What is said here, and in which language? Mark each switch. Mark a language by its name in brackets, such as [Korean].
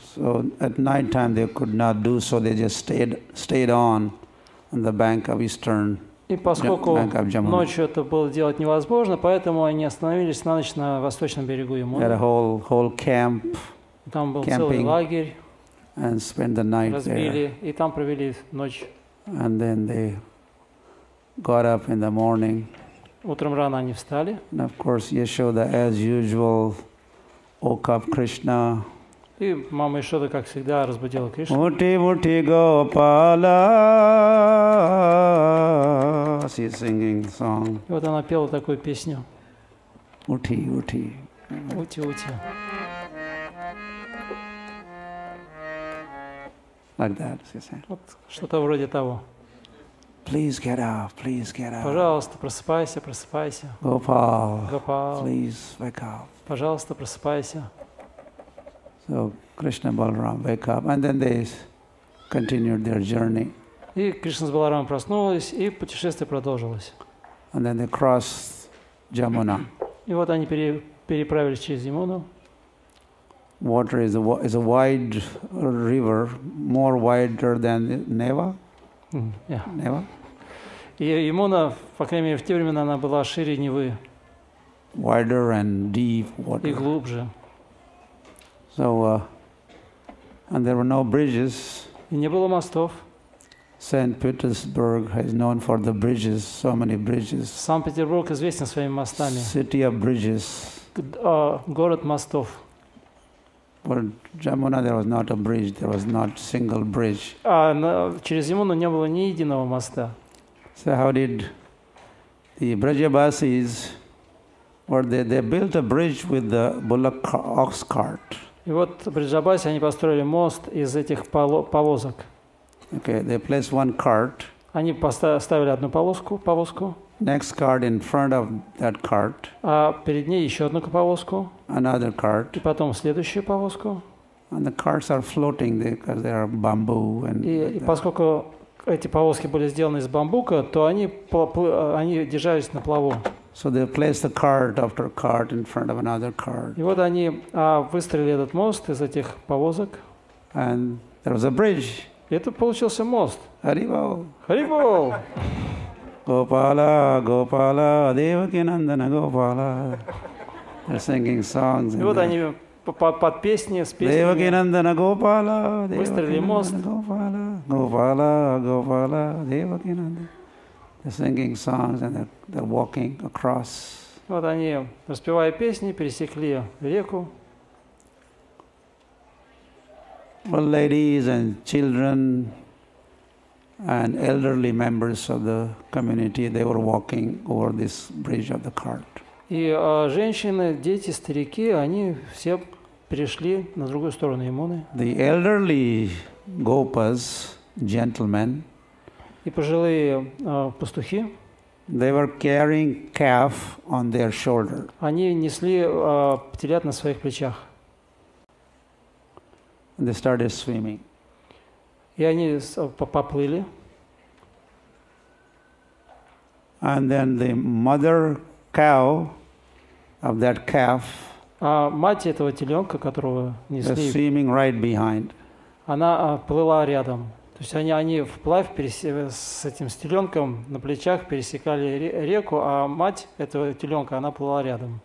[English] So at night time they could not do so, they just stayed on the bank of eastern [Russian] И поскольку [English] bank of Jamuna. [Russian] Ночью это было делать невозможно, поэтому они остановились на ночь на восточном берегу Ямуны. [English] Had a whole camp. [Russian] Там был [English] camping, [Russian] целый лагерь. [English] And spent the night [Russian] разбили, [English] there. [Russian] И там провели ночь. [English] And then they got up in the morning. [Russian] Утром рано они встали. [English] And of course, Yashoda, as usual, woke up Krishna. [Russian] И мама Yashoda, как всегда, разбудила Кришну. Muti, muti, Gopala. [English] She's singing the song. [Russian] И вот она пела такую песню. Muti, muti. Muti, muti. [English] Like that, she said. [Russian] Вот что-то вроде того. [English] Please get up, please get up. [Russian] Пожалуйста, просыпайся, просыпайся. [English] Gopal, Gopal, please wake up. [Russian] Пожалуйста, просыпайся. [English] So Krishna Balaram wake up and then they continued their journey. [Russian] И Кришна с Баларамом проснулись и путешествие продолжилось. [English] And then they crossed Jamuna. [Russian] И вот они переправились через Ямуну. [English] Water is a wide river, more wider than Neva. [Russian] Нева. И Ямуна, по крайней мере, в те времена она была шире Невы. [English] Wider and deep water. [Russian] И глубже. [English] So, and there were no bridges. [Russian] И не было мостов. [English] Saint-Petersburg is known for the bridges, so many bridges. [Russian] Санкт-Петербург известен своими мостами. [English] City of bridges. [Russian] Город мостов. [English] For Jamuna, there was not a bridge. There was not single bridge. [Russian] Через Ямуну не было ни единого моста. [English] So how did the Brajabasis? Or they built a bridge with the bullock ox cart. [Russian] И вот Брджабаси они построили мост из этих повозок. [English] Okay, they placed one cart. [Russian] Они поставили одну повозку. [English] Next cart in front of that cart. [Russian] А перед ней еще одну повозку. [English] Another cart. [Russian] И потом следующую повозку. [English] And the carts are floating because they are bamboo and. [Russian] И поскольку эти повозки были сделаны из бамбука, то они держались на плаву. [English] So they placed the cart after cart in front of another cart. [Russian] И вот они выстроили этот мост из этих повозок. [English] And there was a bridge. [Russian] И это получился мост. Haribol. Haribol. Gopala, Gopala, Devaki Nandana Gopala. [English] They're singing songs. [Russian] И вот они под песни, с песнями. Devaki Nandana Gopala. Выстроили мост. [English] Gopala, Gopala, Gopala, Devaki Nandana. They're singing songs and they're walking across. [Russian] Вот они, распевая песни, пересекли реку. [English] Well, ladies and children and elderly members of the community, they were walking over this bridge of the cart. [Russian] И женщины, дети, старики, они все перешли на другую сторону Ямуны. [English] The elderly gopas, gentlemen, [Russian] и пожилые пастухи, [English] they were carrying calf on their shoulder. [Russian] Они несли телят на своих плечах. [English] And they started swimming. [Russian] И они поплыли. [English] And then the mother cow of that calf. [Russian] А мать этого теленка, которого несли, [English] was swimming right behind. [Russian] Она плыла рядом. То есть они вплавь с этим теленком на плечах пересекали реку, а мать этого теленка, она плыла рядом.